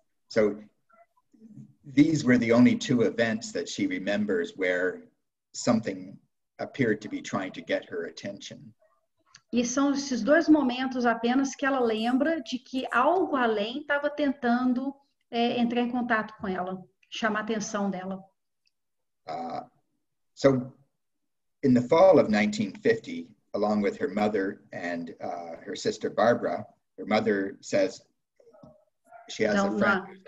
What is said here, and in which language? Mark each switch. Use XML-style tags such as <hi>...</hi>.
<en>So, these were the only two events that she remembers where something appeared to be trying to get her attention.</en> <pt>E são esses dois momentos apenas que ela lembra de que algo além estava tentando entrar em contato com ela, chamar a atenção dela.</pt> <en>So, in the fall of 1950, along with her mother and her sister Barbara, her mother says she has a friend.</en>